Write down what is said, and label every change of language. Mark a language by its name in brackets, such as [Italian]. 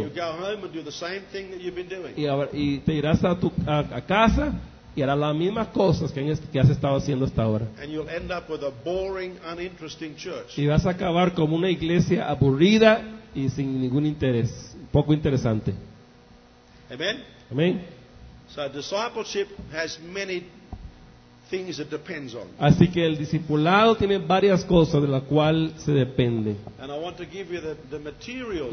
[English] And you go home and do the same thing that you've been doing. [Spanish] Y te irás a casa y harás las mismas cosas que has estado haciendo hasta ahora. [English] And you'll end up with a boring, uninteresting church. [Spanish] Y vas a acabar como una iglesia aburrida y sin ningún interés, poco interesante. [English] Amen. [Spanish] Amen. [English] So discipleship has many things it depends on. [Spanish] Así que el discipulado tiene varias cosas de las cuales se depende. [English] And I want to give you the materials.